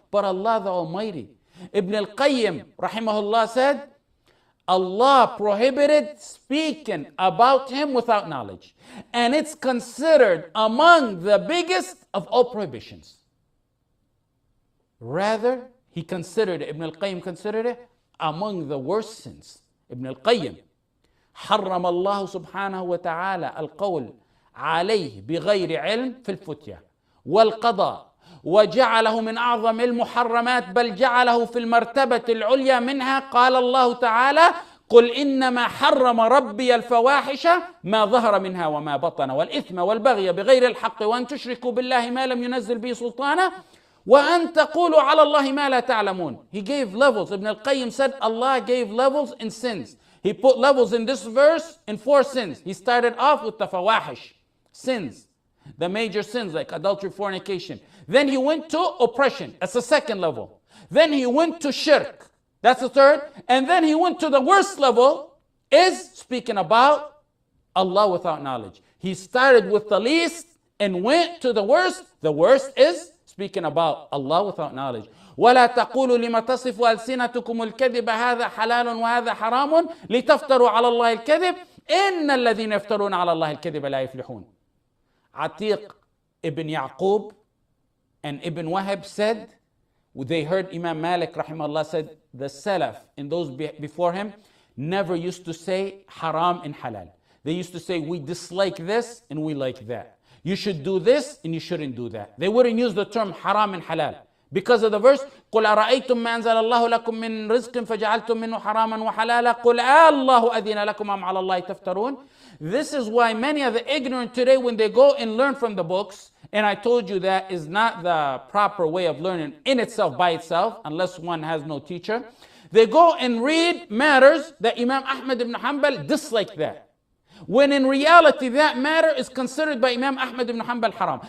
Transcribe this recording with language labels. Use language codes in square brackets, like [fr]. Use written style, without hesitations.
[en] But Allah the Almighty, Ibn al-Qayyim, rahimahullah, said, Allah prohibited speaking about him without knowledge. And it's considered among the biggest of all prohibitions. Rather, he considered it, Ibn al-Qayyim considered it, among the worst sins. [ar] Ibn al-Qayyim, حرم الله سبحانه وتعالى القول عليه بغير علم في الفتية والقضاء وجعله من أعظم المحرمات بل جعله في المرتبة العليا منها قال الله تعالى قل إنما حرم ربي الفواحش ما ظهر منها وما بطن والإثم والبغي بغير الحق وأن تشركوا بالله ما لم ينزل به سلطانا وأن تقولوا على الله ما لا تعلمون. [en] He gave levels. Ibn al-Qayyim said Allah gave levels in sins. He put levels in this verse in four sins. He started off with the fawahish, sins, the major sins like adultery, fornication. Then he went to oppression. That's the second level. Then he went to shirk. That's the third. And then he went to the worst level, is speaking about Allah without knowledge. He started with the least and went to the worst. The worst is speaking about Allah without knowledge. [ar] ولا تقولوا لما تصفوا ألسنتكم الكذب هذا حلال وهذا حرام لتفتروا على الله الكذب إن الذين يفترون على الله الكذب لا يفلحون. [en] عتيق ابن يعقوب and ابن وهب said, they heard Imam Malik رحمه الله said, the Salaf and those before him never used to say حرام and حلال. They used to say we dislike this and we like that. You should do this and you shouldn't do that. They wouldn't use the term حرام and حلال. Because of the verse, [ar] قُلْ أَرَأَيْتُمْ مَا أَنْزَلَ اللَّهُ لَكُمْ مِنْ رِزْقٍ فَجَعَلْتُمْ مِنْهُ حَرَامًا وَحَلَالًا قُلْ أَاللَّهُ أَذِينَ لَكُمْ أَمْ عَلَى اللَّهِ تَفْتَرُونَ. [en] This is why many of the ignorant today, when they go and learn from the books, and I told you that is not the proper way of learning in itself, by itself, unless one has no teacher, they go and read matters that Imam Ahmad ibn Hanbal disliked that. When in reality, that matter is considered by Imam Ahmad ibn Hanbal haram.